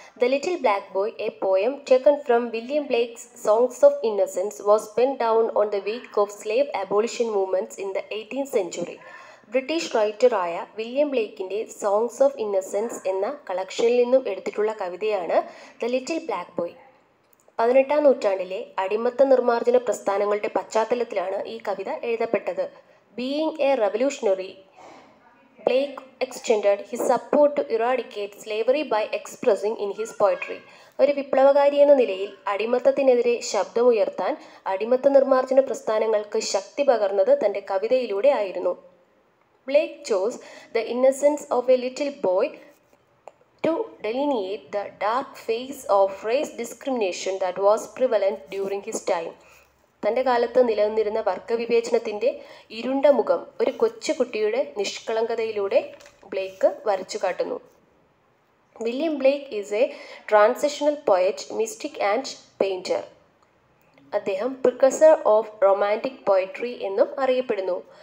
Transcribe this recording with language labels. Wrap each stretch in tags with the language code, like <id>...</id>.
<en>The little black boy, a poem taken from William Blake's songs of innocence, was pen down on the week of slave abolition movements in the 18th century.</en> <ml>British റൈറ്ററായ William ബ്ലേക്കിൻ്റെ songs of innocence എന്ന കളക്ഷനിൽ നിന്നും എടുത്തിട്ടുള്ള കവിതയാണ് the little black boy. 18th century അടിമത്ത നിർമ്മാർജ്ജന പ്രസ്ഥാനങ്ങളുടെ പശ്ചാത്തലത്തിലാണ് ഈ കവിത എഴുതപ്പെട്ടത്.</ml> <en>Being a revolutionary, Blake extended his support to eradicate slavery by expressing in his poetry.</en> <ml>ഒരു വിപ്ലവകാരി എന്ന നിലയിൽ അടിമത്തത്തിനെതിരെ ശബ്ദമുയർത്താൻ അടിമത്ത നിർമ്മാർജ്ജന പ്രസ്ഥാനങ്ങൾക്ക് ശക്തി പകർന്നത് തൻ്റെ കവിതയിലൂടെ ആയിരുന്നു.</ml> <en>Blake chose the innocence of a little boy to delineate the dark face of race discrimination that was prevalent during his time.</en> <ml>തൻ്റെ കാലത്ത് നിലനിന്നിരുന്ന വർഗ വിവേചനത്തിൻ്റെ ഇരുണ്ട മുഖം ഒരു കൊച്ചുകുട്ടിയുടെ നിഷ്കളങ്കതയിലൂടെ ബ്ലേക്ക് വരച്ചു കാട്ടുന്നു.</ml> <en>William Blake is a transitional poet, mystic and painter.</en> <ml>അദ്ദേഹം</ml> <en>precursor of romantic poetry</en> <ml>എന്നും അറിയപ്പെടുന്നു.</ml>